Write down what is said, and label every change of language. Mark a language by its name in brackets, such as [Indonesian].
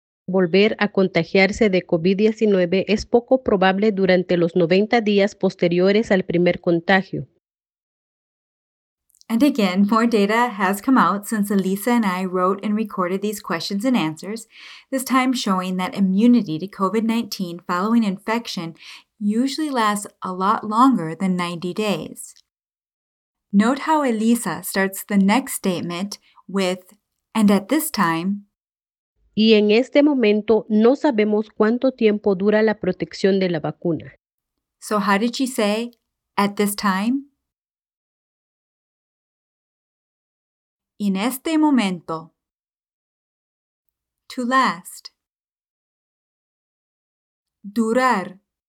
[Spanish] Volver a contagiarse de COVID-19 es poco probable durante los 90 días posteriores al primer contagio. [English] And again, more data has come out since Elisa and I wrote and recorded these questions and answers, this time showing that immunity to COVID-19 following infection usually lasts a lot longer than 90 days. Note how Elisa starts the next statement with, and at this time, [Spanish] y en este momento no sabemos cuánto tiempo dura la protección de la vacuna. [English] So how did she say, at this time? [Spanish] En este momento. [English] To last. [Spanish] Durar.